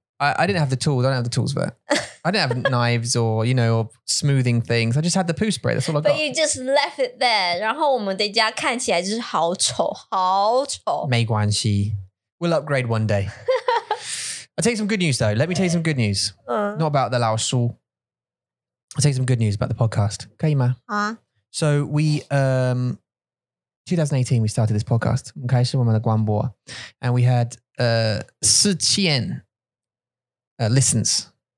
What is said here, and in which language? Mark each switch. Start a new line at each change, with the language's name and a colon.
English: I didn't have the tools. I don't have the tools for it. I didn't have knives or, you know, or smoothing things. I just had the poo spray. That's all I got. But you just left it there.
Chinese: 然后我们在家看起来就是好丑,好丑。没关系。
English: We'll upgrade one day. I'll tell you some good news though. Let me tell you some good news. Not about the Laoshu. I'll tell you some good news about the podcast. Okay, ma? So we, 2018, we started this podcast. Okay, so we had 广播.And we had 四千 listens.